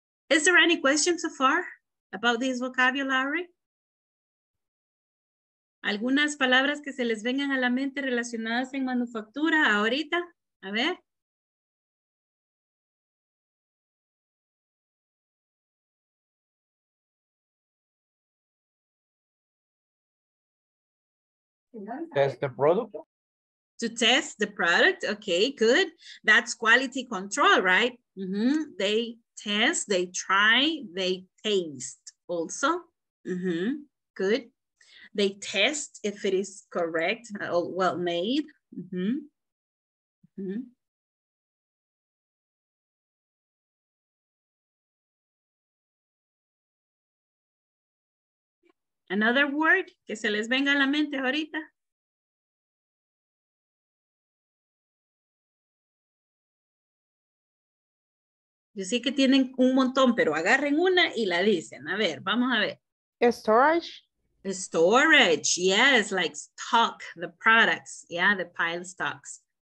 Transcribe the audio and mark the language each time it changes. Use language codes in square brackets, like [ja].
[en] Is there any question so far about this vocabulary? [es] ¿Algunas palabras que se les vengan a la mente relacionadas en manufactura ahorita? A ver. [en] Test the product. To test the product, okay, good. That's quality control, right? Mm-hmm. They test, they try, they taste also. Mm-hmm. Good. They test if it is correct or well made. Mm-hmm. Mm-hmm. Another word [es] que se les venga a la mente ahorita. Yo sé que tienen un montón, pero agarren una y la dicen. A ver, vamos a ver. [en] Storage. Storage, yes, like stock the products, yeah, the pile stocks.